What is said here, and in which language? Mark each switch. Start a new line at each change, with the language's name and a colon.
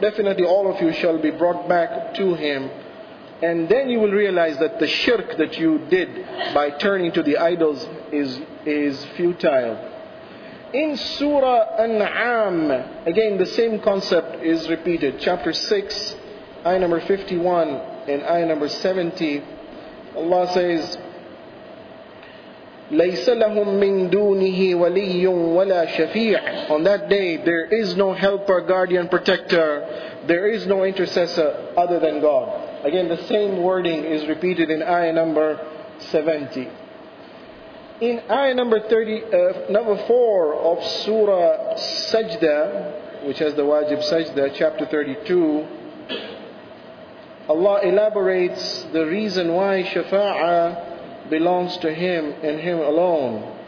English: Definitely all of you shall be brought back to him. And then you will realize that the shirk that you did by turning to the idols is futile. In Surah An'am, again the same concept is repeated. Chapter 6, ayah number 51 and ayah number 70. Allah says,
Arabic: لَيْسَ لَهُم مِّن دُونِهِ وَلِيٌّ وَلَا شَفِيعٌ.
English: On that day, there is no helper, guardian, protector. There is no intercessor other than God. Again, the same wording is repeated in ayah number 70. In ayah number 4 of Surah Sajda, which has the wajib Sajda, chapter 32, Allah elaborates the reason why shafa'a belongs to him and him alone.